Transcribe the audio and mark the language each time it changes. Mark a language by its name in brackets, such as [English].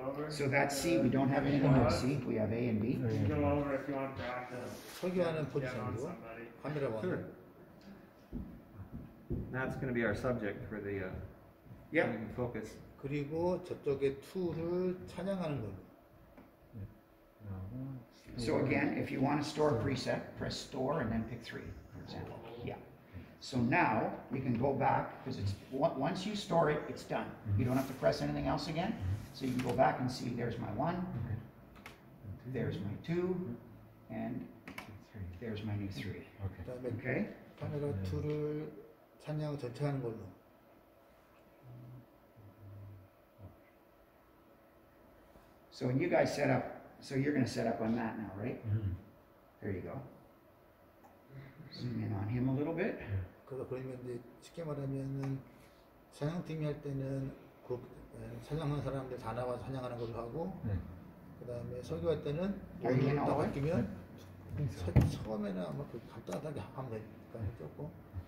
[English] So that's C, we don't have anything on C, we have A and B. Go over if you want to sure. That's going to be our subject for the focus. [Korean] 그리고 저쪽에 2를 찬양하는 걸. [English] So again, if you want to store a preset, press store and then pick 3, for example. Yeah. So now we can go back because it's once you store it, it's done. Mm-hmm. You don't have to press anything else again. So you can go back and see there's my one, okay. there's my two, And there's my new 3. Okay. Okay. [Korean] 2를 찬양 전체하는 걸로. [English] So when you guys set up, so you're going to set up on that now, right? Mm-hmm. There you go. Zoom in on him a little bit. [Korean] 그러면 이제 쉽게 말하면은 찬양팀이 할 때는 그 찬양하는 사람들 다 나와서 찬양하는 걸로 하고, 그다음에 설교할 때는 또 바뀌면 처음에는 아마 그 간단하게 하면 되니까 해줬고.